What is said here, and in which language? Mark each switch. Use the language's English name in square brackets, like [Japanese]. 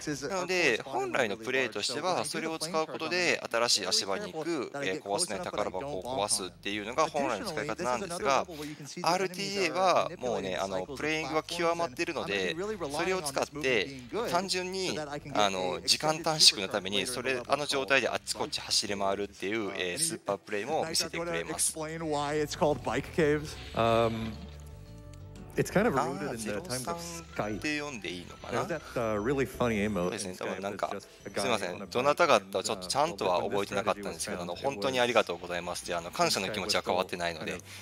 [Japanese] なので本来のプレイとしてはそれを使うことで新しい足場に行く、壊せない宝箱を壊すっていうのが本来の使い方なんですが、 RTA はもうね、プレイングが極まってるので、それを使って単純に時間短縮のためにそれ状態であっちこっち走り回るっていう、スーパープレイも見せてくれます。 [English] It's kind of rooted in the time of Skype. Is that a really funny emote? [Japanese] すみません、どなたかとちょっとちゃんとは覚えてなかったんですけど、本当にありがとうございます。で、感謝の気持ちは変わってないので。